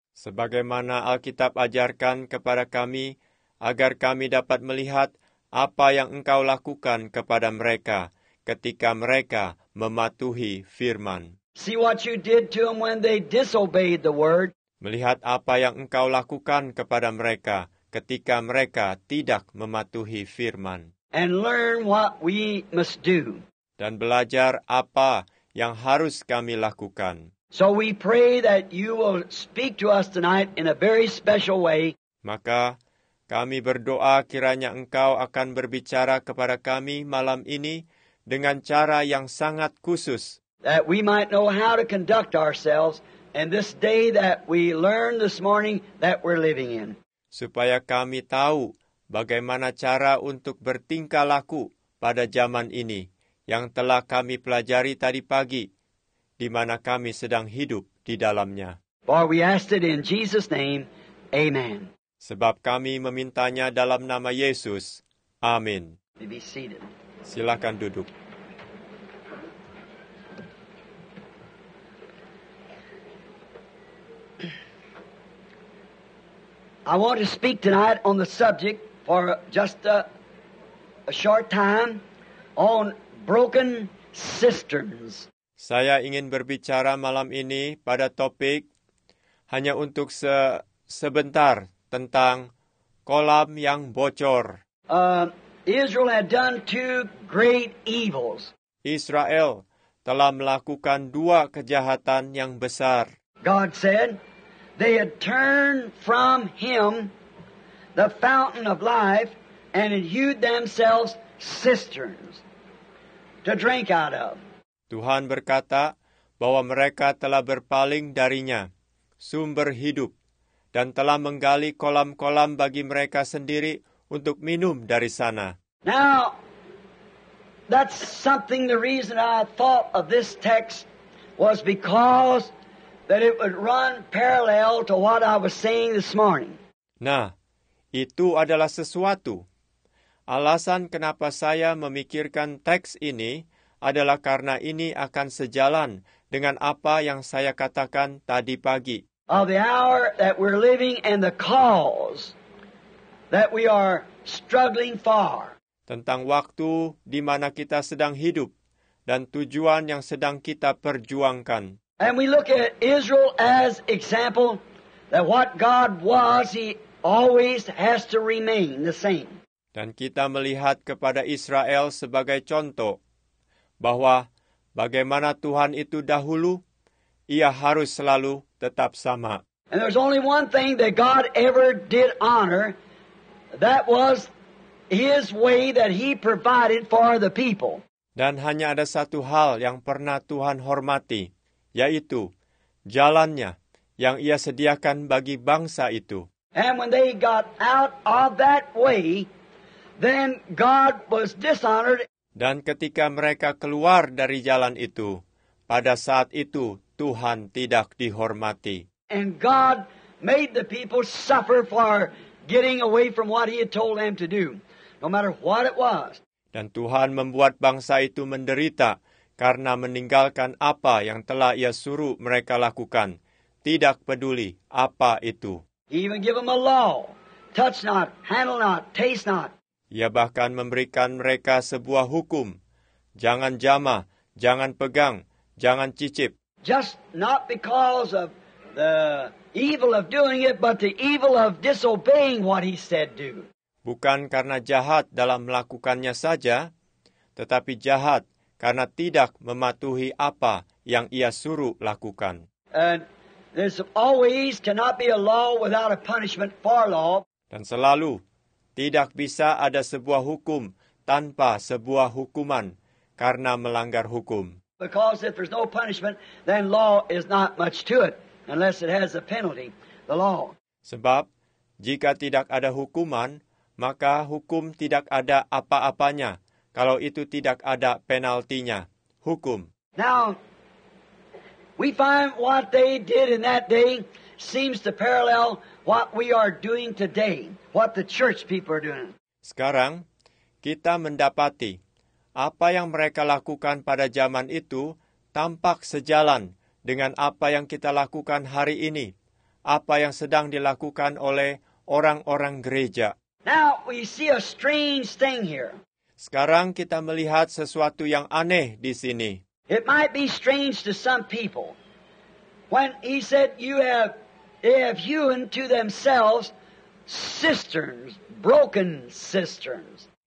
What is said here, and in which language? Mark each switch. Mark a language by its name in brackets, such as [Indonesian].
[Indonesian] Sebagaimana Alkitab ajarkan kepada kami, agar kami dapat melihat apa yang Engkau lakukan kepada mereka ketika mereka mematuhi firman. [English] See what You did to them when they disobeyed the word. [Indonesian] Melihat apa yang Engkau lakukan kepada mereka ketika mereka tidak mematuhi firman. [English] And learn what we must do. [Indonesian] Dan belajar apa yang harus kami lakukan. [English] So we pray that You will speak to us tonight in a very special way. [Indonesian] Maka kami berdoa kiranya Engkau akan berbicara kepada kami malam ini dengan cara yang sangat khusus. [English] That we might know how to conduct ourselves in this day that we learn this morning that we're living in. [Indonesian] Supaya kami tahu bagaimana cara untuk bertingkah laku pada zaman ini yang telah kami pelajari tadi pagi, di mana kami sedang hidup di dalamnya. [English] For we ask it in Jesus' name, amen. [Indonesian] Sebab kami memintanya dalam nama Yesus, amin. [English] Be seated. [Indonesian] Silakan duduk. [English] I want to speak tonight on the subject for just a short time on broken cisterns. [Indonesian] Saya ingin berbicara malam ini pada topik hanya untuk sebentar tentang kolam yang bocor. [English] Israel had done two great evils. [Indonesian] Israel telah melakukan dua kejahatan yang besar. [English] God said they had turned from him the fountain of life and had hewed themselves cisterns to drink out of. [Indonesian] Tuhan berkata bahwa mereka telah berpaling darinya, sumber hidup, dan telah menggali kolam-kolam bagi mereka sendiri untuk minum dari sana. [English] Now, that's something the reason I thought of this text was because that it would run parallel to what I was saying this morning. [Indonesian] Nah, itu adalah sesuatu. Alasan kenapa saya memikirkan teks ini adalah karena ini akan sejalan dengan apa yang saya katakan tadi pagi. [English] Of the hour that we're living and the cause that we are struggling for. [Indonesian] Tentang waktu di mana kita sedang hidup dan tujuan yang sedang kita perjuangkan. [English] And we look at Israel as example that what God was, he always has to remain the same. [Indonesian] Dan kita melihat kepada Israel sebagai contoh bahwa bagaimana Tuhan itu dahulu, ia harus selalu tetap sama. [English] And there's only one thing that God ever did honor, that was his way that he provided for the people. [Indonesian] Dan hanya ada satu hal yang pernah Tuhan hormati, yaitu jalannya yang ia sediakan bagi bangsa itu. [English] And when they got out of that way, then God was dishonored. [Indonesian] Dan ketika mereka keluar dari jalan itu, pada saat itu Tuhan tidak dihormati. [English] And God made the people suffer for getting away from what he had told them to do, no matter what it was. [Indonesian] Dan Tuhan membuat bangsa itu menderita karena meninggalkan apa yang telah ia suruh mereka lakukan, tidak peduli apa itu. [English] He even gave them a law, touch not, handle not, taste not. [Indonesian] Ia bahkan memberikan mereka sebuah hukum. Jangan jamah, jangan pegang, jangan cicip. [English] Just not because of the evil of doing it, but the evil of disobeying what he said do. [Indonesian] Bukan karena jahat dalam melakukannya saja, tetapi jahat karena tidak mematuhi apa yang ia suruh lakukan. [English] And there's always cannot be a law without a punishment for law. [Indonesian] Dan selalu tidak bisa ada sebuah hukum tanpa sebuah hukuman karena melanggar hukum. [English] Because if there's no punishment, then law is not much to it unless it has a penalty, the law. [Indonesian] Sebab jika tidak ada hukuman, maka hukum tidak ada apa-apanya kalau itu tidak ada penaltinya, hukum. [English] Now, we find what they did in that day seems to parallel what we are doing today, what the church people are doing. [Indonesian] Sekarang, kita mendapati apa yang mereka lakukan pada zaman itu tampak sejalan dengan apa yang kita lakukan hari ini, apa yang sedang dilakukan oleh orang-orang gereja. [English] Now, we see a strange thing here. [Indonesian] Sekarang, kita melihat sesuatu yang aneh di sini. [English] It might be strange to some people when he said you have they have hewn to themselves cisterns, broken cisterns.